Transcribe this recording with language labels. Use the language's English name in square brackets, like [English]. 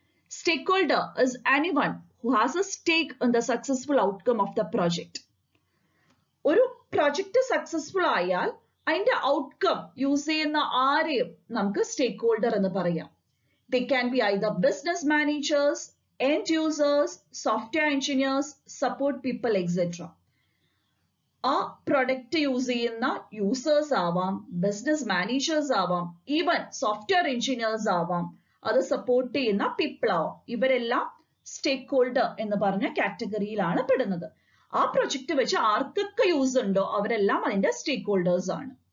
[English] Stakeholder is anyone who has a stake in the successful outcome of the project. [Malayalam] ഒരു project successful ആയാൽ അതിന്റെ outcome use ചെയ്യുന്ന ആരെയും നമുക്ക് സ്റ്റേക്ക് holder എന്ന് പറയാം. [English] They can be either business managers, end users, software engineers, support people, etc. [Malayalam] ആ product use ചെയ്യുന്ന യൂസേഴ്സ് ആവാം, ബിസിനസ് മാനേജേഴ്സ് ആവാം, ഈവൻ സോഫ്റ്റ്വെയർ എഞ്ചിനീയേഴ്സ് ആവാം, അത് സപ്പോർട്ട് ചെയ്യുന്ന പീപ്പിൾ ആവാം, ഇവരെല്ലാം സ്റ്റേക്ക് ഹോൾഡർ എന്ന് പറഞ്ഞ കാറ്റഗറിയിലാണ് പെടുന്നത്. ആ പ്രൊജക്ട് വെച്ച് ആർക്കൊക്കെ യൂസ് ഉണ്ടോ അവരെല്ലാം അതിന്റെ സ്റ്റേക്ക് ഹോൾഡേഴ്സ് ആണ്.